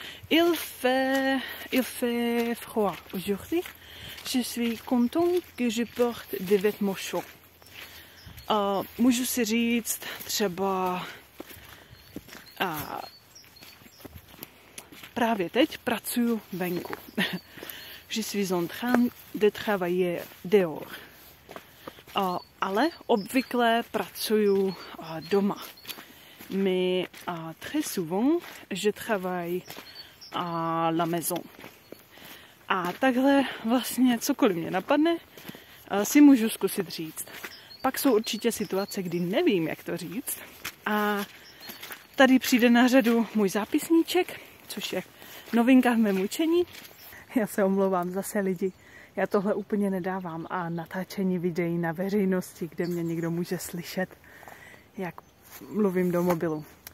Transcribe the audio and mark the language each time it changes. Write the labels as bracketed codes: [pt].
[fr] Il fait froid aujourd'hui. Je suis content que je porte des vêtements chauds. [cs] Můžu si říct třeba právě teď pracuju venku. [fr] Je suis en train de travailler dehors. [cs] Ale obvykle pracuju doma. [fr] Mais très souvent, je travaille à la maison. [cs] A takhle vlastně cokoliv mě napadne, si můžu zkusit říct. Pak jsou určitě situace, kdy nevím, jak to říct. A tady přijde na řadu můj zápisníček, což je novinka v mém učení. Já se omlouvám zase lidi. Já tohle úplně nedávám a natáčení videí na veřejnosti, kde mě někdo může slyšet, jak mluvím do mobilu.